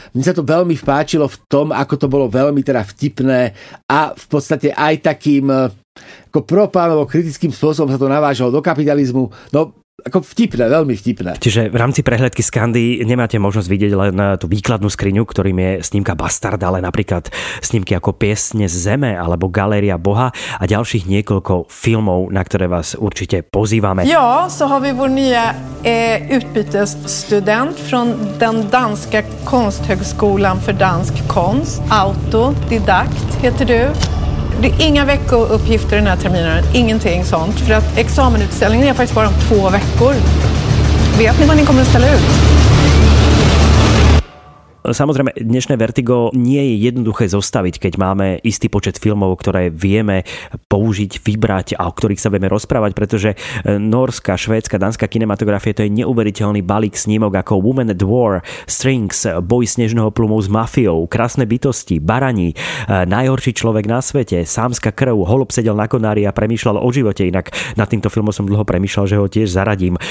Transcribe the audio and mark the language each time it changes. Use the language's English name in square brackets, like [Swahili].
[Slovak] Mne sa to veľmi vpáčilo v tom, ako to bolo veľmi teda vtipné a v podstate aj takým ako propánovo kritickým spôsobom sa to navážalo do kapitalizmu. No, ako vtipné, veľmi vtipné. Čiže v rámci prehľadky Skandy nemáte možnosť vidieť len tú výkladnú skriňu, ktorým je snímka Bastard, ale napríklad snímky ako Piesne zeme alebo Galéria Boha a ďalších niekoľko filmov, na ktoré vás určite pozývame. [Swedish] Ja, så har vi vår nya utbytesstudent från den danska konsthögskolan för dansk konst, autodidakt heter du. Det är inga veckouppgifter den här terminen, ingenting sånt. För att examenutställningen är faktiskt bara om 2 veckor. Vet ni vad ni kommer att ställa ut? [Slovak] Samozrejme, dnešné Vertigo nie je jednoduché zostaviť, keď máme istý počet filmov, ktoré vieme použiť, vybrať a o ktorých sa vieme rozprávať, pretože norská, švédska, dánska kinematografia, to je neuveriteľný balík snímok ako Woman at War, Strings, Boj snežného plumu s mafiou, Krásne bytosti, Barani, Najhorší človek na svete, Sámska krv, Holub sedel na konári a premýšľal o živote, inak nad týmto filmom som dlho premýšľal, že ho tiež zaradím.